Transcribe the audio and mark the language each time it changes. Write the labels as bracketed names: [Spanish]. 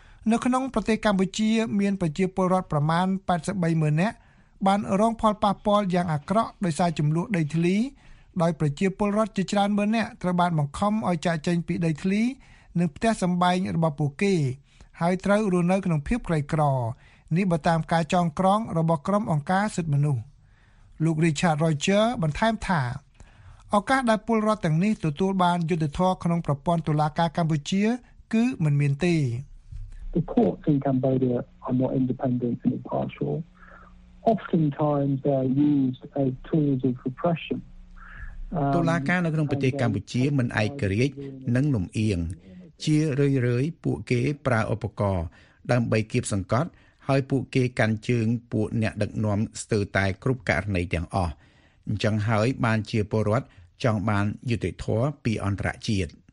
[Khmer] នៅក្នុងប្រទេសកម្ពុជាមានប្រជាពលរដ្ឋប្រមាណ830,000នាក់បានរងផលប៉ះពាល់យ៉ាងអាក្រក់ដោយសារចំនួនដីធ្លីដោយប្រជាពលរដ្ឋជាច្រើនម៉ឺននាក់ត្រូវបានបង្ខំឲ្យចាកចេញពីដីធ្លីនិងផ្ទះសម្បែងរបស់ពួកគេហើយត្រូវរស់នៅក្នុងភាពក្រីក្រនេះបើតាមការចងក្រងរបស់ក្រុមអង្គការសិទ្ធិមនុស្សលោក Richard Roger បន្ថែមថាឱកាសដែលពលរដ្ឋទាំងនេះទទួលបានយុត្តិធម៌ក្នុងប្រព័ន្ធតុលាការកម្ពុជាគឺមិនមានទេ [English] The courts in Cambodia are more independent and impartial. Oftentimes they are used as tools of repression. [Khmer] តុលាការនៅក្នុងប្រទេសកម្ពុជាមិនឯករាជ្យនិងលំអៀងជារឿយៗពួកគេប្រើឧបករណ៍ដើម្បីគៀបសង្កត់ហើយពួកគេកាន់ជើងពួកអ្នកដឹកនាំស្ទើរតែគ្រប់ករណីទាំងអស់អញ្ចឹងហើយបានជាពលរដ្ឋចង់បានយុត្តិធម៌ពីអន្តរជាតិ